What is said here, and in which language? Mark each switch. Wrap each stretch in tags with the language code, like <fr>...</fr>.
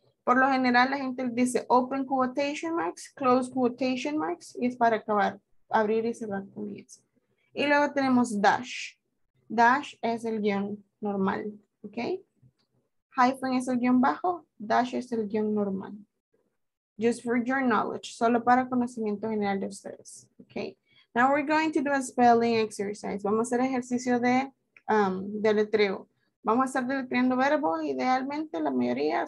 <es>Por lo general la gente dice</es> <en>open quotation marks, close quotation marks,</en> <es>y es para acabar, abrir y cerrar comillas. Y luego tenemos dash. Dash es el guión normal, ¿ok? Hyphen es el guión bajo, dash es el guión normal.</es> <en>Just for your knowledge,</en> <es>solo para conocimiento general de ustedes, ¿ok?</es> <en>Now we're going to do a spelling exercise.</en> <es>Vamos a hacer ejercicio de letreo. Vamos a estar deletreando verbos, idealmente la mayoría.</es>